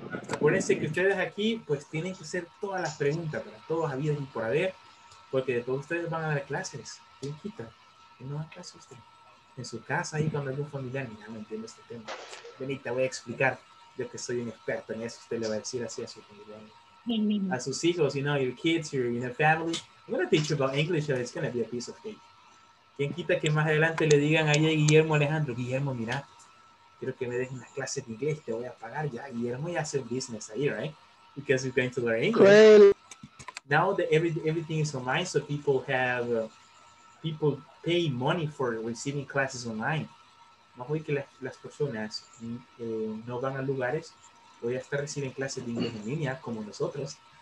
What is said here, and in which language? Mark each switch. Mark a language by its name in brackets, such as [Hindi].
[Spanish] Acuérdense que ustedes aquí, pues tienen que hacer todas las preguntas, para todos habidos y por haber, porque de todos ustedes van a dar clases. ¿Quién quita? ¿Quién no da clases usted? En su casa y con algún familiar, mira, no entiendo este tema. Benita, voy a explicar. Yo que soy un experto en eso, usted le va a decir así a su familiar. A sus hijos, you know, your kids, your family. [English] I'm going to teach you about English, it's going to be a piece of cake. [Spanish] ¿Quién quita que más adelante le digan ahí a Guillermo Alejandro? Guillermo, mira, quiero que me des una clase de inglés, te voy a pagar ya. [English] Guillermo ya hace un business ahí, right? Because you're going to learn English. Well, now that everything is online, so people have, people pay money for receiving classes online. [Spanish] Más hoy que las personas no van a lugares, voy a estar recibiendo clases de inglés en línea, como nosotros.